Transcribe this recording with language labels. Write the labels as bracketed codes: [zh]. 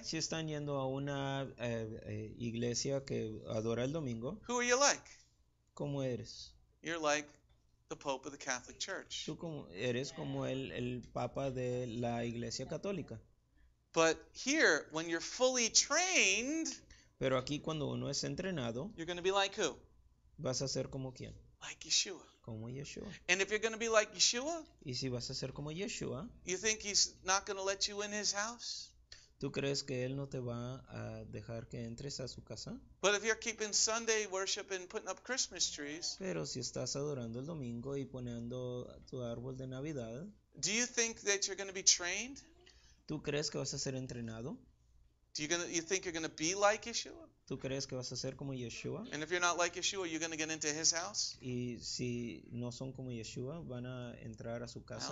[es] Si están yendo a una iglesia que adora el domingo. [en] Who are you like? [es] ¿Cómo eres? [en] You're like the Pope of the Catholic Church. [es] Tú como eres como el Papa de la Iglesia Católica. [en] But here, when you're fully trained, [es] pero aquí cuando uno es entrenado, [en] you're going to be like who? [es] Vas a ser como quién? [en] Like Yeshua. [es] como Yeshua. [en] And if you're going to be like Yeshua, [es] y si vas a ser como Yeshua, [en] you think he's not going to let you in his house? [es] ¿Tú crees que él no te va a dejar que entres a su casa? [en] But if you're keeping Sunday worship and putting up Christmas trees, [es] pero si estás adorando el domingo y poniendo tu árbol de Navidad, [en] do you think that you're going to be trained? [es] ¿Tú crees que vas a ser entrenado? [en] You think you're going to be like Yeshua? [es] ¿Tú crees que vas a ser como Yeshua? [en] And if you're not like Yeshua, you're going to get into his house? [es] ¿Y si no son como Yeshua, van a entrar a su casa?